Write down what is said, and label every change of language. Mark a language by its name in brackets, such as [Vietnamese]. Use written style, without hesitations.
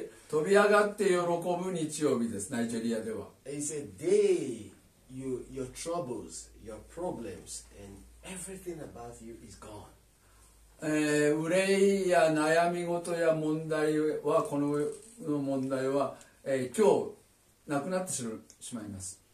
[Japanese] 飛び上がって喜ぶ日曜日です。ナイジェリアでは。 [English] It's a day you your troubles, your problems, and everything about you is gone. [Japanese] 憂いや悩み事や問題はこの問題は。今日亡くなってしまいます。